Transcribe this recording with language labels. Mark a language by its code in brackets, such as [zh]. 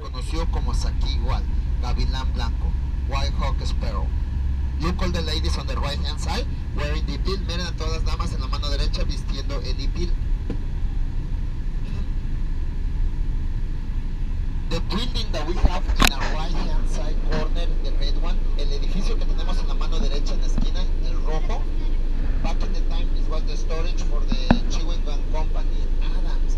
[es] Se conoció como Saki Igual, Gavilán Blanco, [en] White Hawk Sparrow. Look all the ladies on the right hand side, wearing the bill. [es] Miren a todas las damas en la mano derecha vistiendo el bill. [en] The building that we have in our right hand side corner, the red one, [es] el edificio que tenemos en la mano derecha en la esquina, el rojo, [en] back in the time, this was the storage for the Chewing Company Adams.